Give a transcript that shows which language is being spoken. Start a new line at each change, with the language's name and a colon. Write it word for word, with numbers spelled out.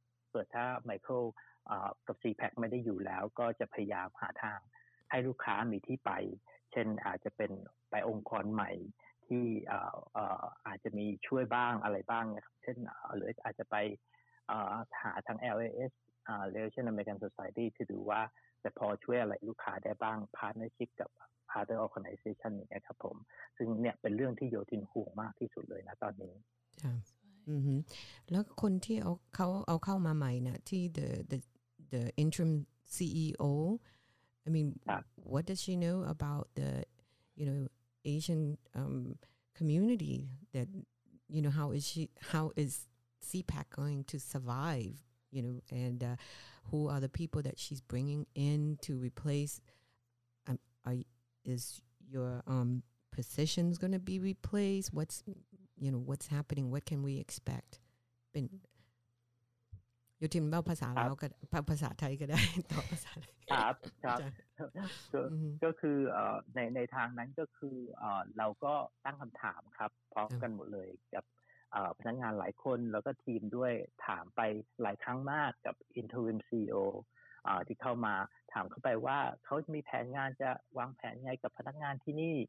Thai: เกิดถ้าไมเคิลเอ่อกับ ซี พี เอ ซี ไม่ได้อยู่แล้วก็จะพยายามหาทางให้ลูกค้ามีที่ไปเช่นอาจจะเป็นไปองค์กรใหม่ที่เอ่อเอ่ออาจจะมีช่วยบ้างอะไรบ้างนะครับเช่นเอ่อหรืออาจจะไปเอ่อหาทาง แอล เอ เอส อ่า Relation American Society ที่ดูว่าจะพอช่วยอะไรลูกค้าได้บ้าง partnership กับ
English: other organization
Thai: อย่างเงี้ยครับผมซึ่งเนี่ยเป็นเรื่องที่โยทินห่วงมากที่สุดเลยนะตอนนี้
English: yeah. mm-hmm.
Thai: แล้วคนที่เอาเขาเอาเข้ามาใหม่น่ะที่
English: the the the interim
Thai: ซี อี โอ
English: I mean
Thai: ครับ
English: what does she know about the you know Asian um community that you know how is she how is C PAC going to survive you know and uh, who are the people that she's bringing in to replace um, are, is your um positions going to be replaced what's you know what's happening what can we expect
Thai: เป็นอยู่ทีมเล่าภาษาลาวก็ภาษาไทยก็ได้ ต่อภาษาไทย ครับครับ ก็ อือฮึ ก็คือเอ่อในในทางนั้นก็คือเอ่อเราก็ตั้งคำถามครับพร้อม ครับ กันหมดเลยกับเอ่อพนักงานหลายคนแล้วก็ทีมด้วยถามไปหลายครั้งมากกับ Interim ซี อี โอ อ่าที่เข้ามาถามเข้าไปว่าเขามีแผนงานจะวางแผนไงกับพนักงานที่นี่